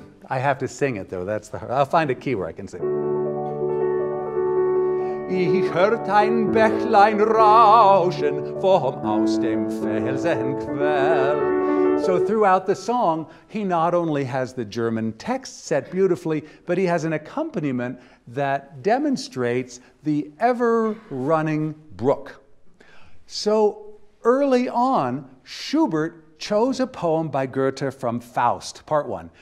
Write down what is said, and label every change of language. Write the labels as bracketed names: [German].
[English] I have to sing it, though. That's the. I'll find a key where I can sing. [German] Ich hört ein Bächlein rauschen vom aus dem Felsenquell. [English] So throughout the song, he not only has the German text set beautifully, but he has an accompaniment that demonstrates the ever-running brook. So early on, Schubert chose a poem by Goethe from Faust, Part 1.